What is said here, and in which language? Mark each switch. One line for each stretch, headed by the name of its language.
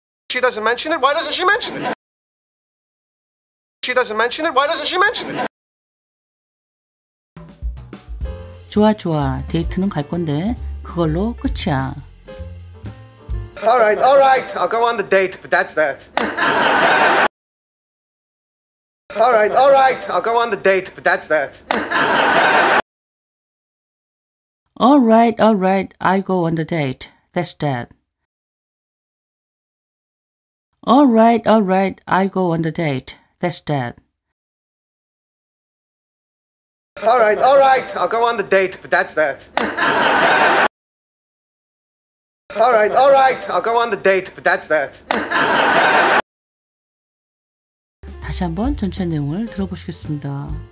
English: She doesn't mention it. Why doesn't she mention it? She doesn't mention it. Why doesn't she mention it?
Korean: 좋아, 좋아. 데이트는 갈 건데 그걸로 끝이야.
English: All right, all right. I'll go on the date, but that's that. All right, all right. I'll go on the date, but that's that. All right, all right. I'll go on the date. That's that. All right, all right. I'll go on the date. That's that. All right, all right. I'll go on the date, but that's that. All right, all right. I'll go on the date, but that's that.
Korean: 다시 한번 전체 내용을 들어보시겠습니다.